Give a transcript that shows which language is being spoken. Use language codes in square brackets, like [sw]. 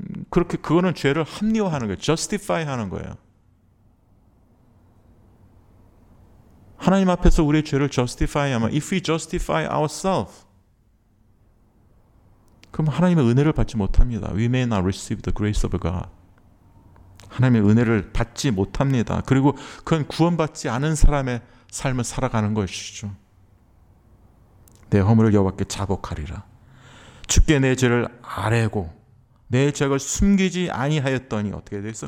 [ko] 그렇게 그거는 죄를 합리화하는 거예요. justify 하는 거예요. 하나님 앞에서 우리의 죄를 justify 하면 [en] if we justify ourselves [ko] 그럼 하나님의 은혜를 받지 못합니다. [en] We may not receive the grace of God. [ko] 하나님의 은혜를 받지 못합니다. 그리고 그건 구원받지 않은 사람의 삶을 살아가는 것이죠. 내 허물을 여호와께 자복하리라. 주께 내 죄를 아뢰고 내 죄악을 숨기지 아니하였더니 어떻게 되겠어?